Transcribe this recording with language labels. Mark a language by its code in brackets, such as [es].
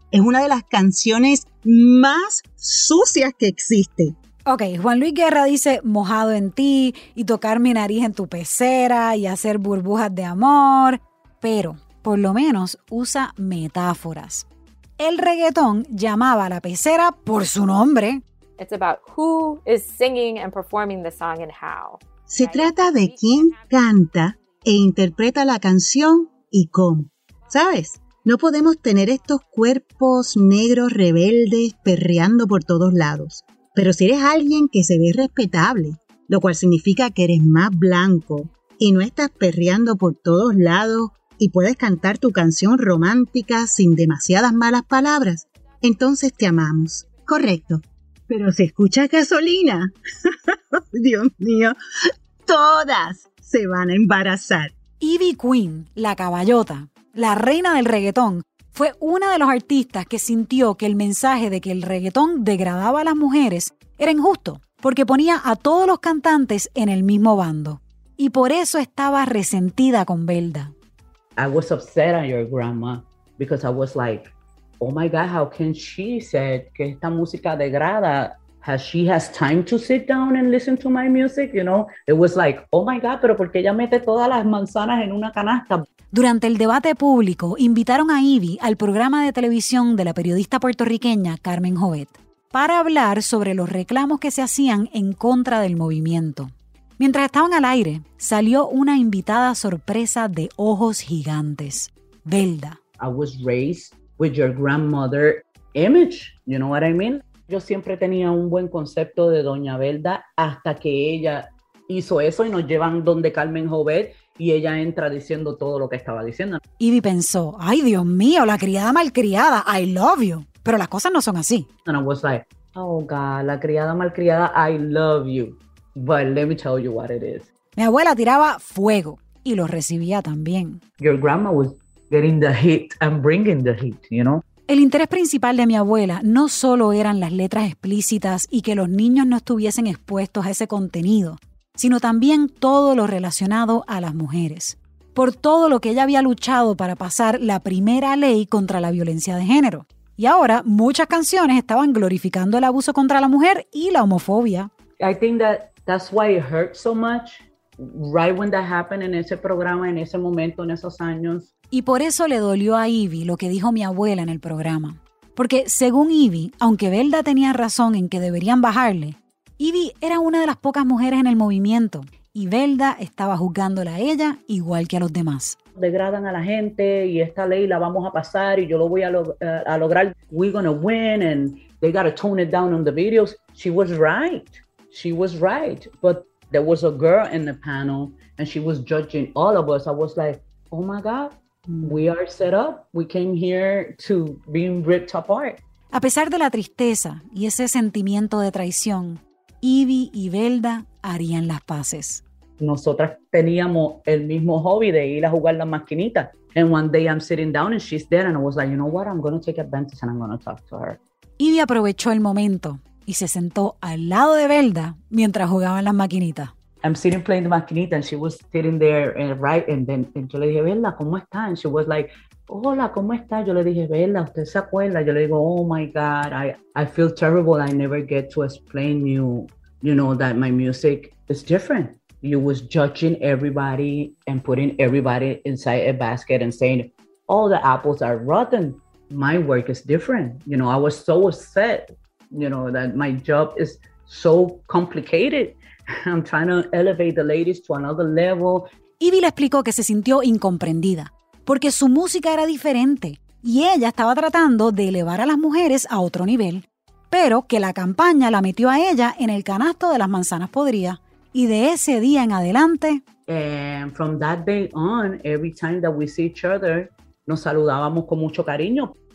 [es] es una de las canciones más sucias que existe. Ok, Juan Luis Guerra dice mojado en ti y tocar mi nariz en tu pecera y hacer burbujas de amor, pero por lo menos usa metáforas. El reggaetón llamaba a la pecera por su nombre. [en] It's about who is singing and performing the song and how. [es] Se trata de quién canta e interpreta la canción y cómo. ¿Sabes? No podemos tener estos cuerpos negros rebeldes perreando por todos lados. Pero si eres alguien que se ve respetable, lo cual significa que eres más blanco y no estás perreando por todos lados y puedes cantar tu canción romántica sin demasiadas malas palabras, entonces te amamos. Correcto. Pero si escuchas gasolina, Dios mío, todas se van a embarazar. Ivy Queen, la caballota, la reina del reggaetón, fue una de los artistas que sintió que el mensaje de que el reggaetón degradaba a las mujeres era injusto, porque ponía a todos los cantantes en el mismo bando. Y por eso estaba resentida con Velda. [en] I was upset at your grandma because I was like, oh my God, how can she say [es] que esta música degrada? [en] Has she has time to sit down and listen to my music? You know, it was like, oh my God, [es] pero ¿por qué ella mete todas las manzanas en una canasta? Durante el debate público, invitaron a Ivy al programa de televisión de la periodista puertorriqueña Carmen Jovet para hablar sobre los reclamos que se hacían en contra del movimiento. Mientras estaban al aire, salió una invitada sorpresa de ojos gigantes, Velda. [en] I was raised with your grandmother image, you know what I mean? [es] Yo siempre tenía un buen concepto de Doña Velda hasta que ella hizo eso y nos llevan donde Carmen Jovet y ella entra diciendo todo lo que estaba diciendo. Ivy pensó, ay Dios mío, la criada malcriada, [en] I love you. [es] Pero las cosas no son así. [en] And I was like, oh God, [es] la criada malcriada, [en] I love you. But let me tell you what it is. [es] Mi abuela tiraba fuego y lo recibía también. [en] Your grandma was getting the heat and bringing the heat, you know? [es] El interés principal de mi abuela no solo eran las letras explícitas y que los niños no estuviesen expuestos a ese contenido, sino también todo lo relacionado a las mujeres. Por todo lo que ella había luchado para pasar la primera ley contra la violencia de género. Y ahora muchas canciones estaban glorificando el abuso contra la mujer y la homofobia. [en] I think that's why it hurt so much right when that happened [es] en ese programa, en ese momento, en esos años. Y por eso le dolió a Ivy lo que dijo mi abuela en el programa. Porque según Ivy, aunque Velda tenía razón en que deberían bajarle, Ivy era una de las pocas mujeres en el movimiento y Velda estaba juzgándola a ella igual que a los demás. Degradan a la gente y esta ley la vamos a pasar y yo lo voy a lograr. [en] We're gonna win and they gotta tone it down on the videos. She was right. But there was a girl in the panel and she was judging all of us. I was like, oh my God. We are set up. We came here to be ripped apart. [es] A pesar de la tristeza y ese sentimiento de traición, Ivy y Velda harían las paces. Nosotras teníamos el mismo hobby de ir a jugar las maquinitas. [en] And one day I'm sitting down and she's there and I was like, you know what? I'm going to take advantage and I'm going to talk to her. [es] Ivy aprovechó el momento y se sentó al lado de Velda mientras jugaban las maquinitas. [en] I'm sitting playing the maquinita and she was sitting there and right and then and [es] yo le dije, Velda, ¿cómo está? [en] And she was like, [es] hola, ¿cómo está? Yo le dije, Velda, ¿usted se acuerda? Yo le digo, [en] oh my God, I feel terrible. I never get to explain you know, that my music is different. You was judging everybody and putting everybody inside a basket and saying, all the apples are rotten. My work is different. You know, I was so upset, you know, that my job is so complicated. I'm trying to elevate the ladies to another level. [es] Ivy le explicó que se sintió incomprendida porque su música era diferente y ella estaba tratando de elevar a las mujeres a otro nivel, pero que la campaña la metió a ella en el canasto de las manzanas podridas y de ese día en adelante. [en] And from that day on, every time that we see each other, [es] nos saludábamos con mucho cariño.